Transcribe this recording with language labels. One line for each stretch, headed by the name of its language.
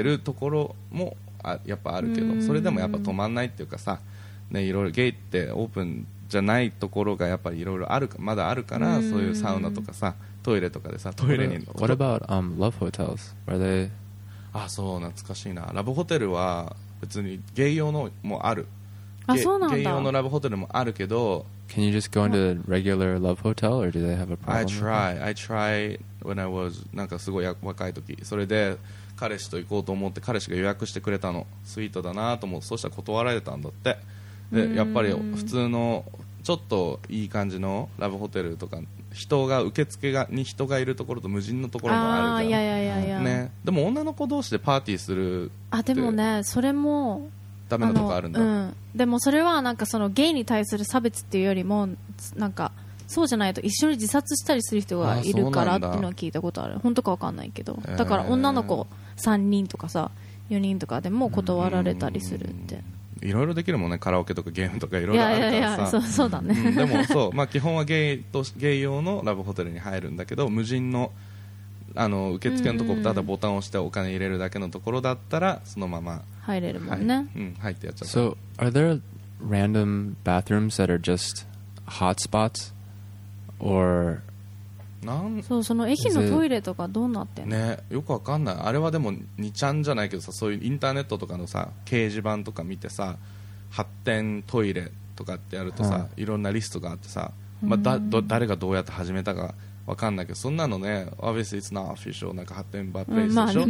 Japanese: るところもやっぱあるけど、それでもやっぱ止まんないっていうかさ、ね、いろいろゲイってオープンじゃないところがやっぱりいろいろあるまだあるから、そういうサウナとかさトイレとかでさトイレに
English: What about、love hotels? Are they...
Japanese: あ、そう、懐かしいな。ラブホテルは別にゲイ用のもある。あ、そうなんだ。ゲイ用のラブホテルもあるけど、
English: Can you just go into the regular love hotel or do they have a problem? I try when I was
Japanese: なんかすごい若い時、それで彼氏と行こうと思って彼氏が予約してくれたの、スイートだなと思って、そしたら断られたんだって。でやっぱり普通のちょっといい感じのラブホテルとか、人が受付がに人がいるところと無人のところもあるじゃん。いやいやいやいや、ね、でも女の子同士でパーティーするって、あ、でもね、それもダメなとこあるんだ、うん、でもそれはなんかそのゲイに対する差別っていうよりもなんかそうじゃないと一緒に自殺したりする人がいるからっていうのは聞いたことある。本当か分かんないけど、だから女の子3人とかさ4人とかでも断られたりするって。いろいろできるもんね、カラオケとかゲームとかいろいろあるからさ。いやいやいや、そうだね、うん、でもそう、まあ、基本はゲイ用のラブホテルに入るんだけど、無人 の受付のところただボタンを押してお金入れるだけのところだったらそのまま入れるもんね、はい、うん、入ってやっちゃう。
English: So are there random bathrooms that are just hot spots? Or
Japanese: そう、その駅のトイレとかどうなってんの、ね、よくわかんない。あれはでも2ちゃんじゃないけどさ、そういうインターネットとかのさ掲示板とか見てさ、発展トイレとかってやるとさ、うん、いろんなリストがあってさ、まあ、誰がどうやって始めたかわかんないけど、そんなのね
English: Obviously it's not official、
Japanese: なんか発展バッグレースでしょ、うん、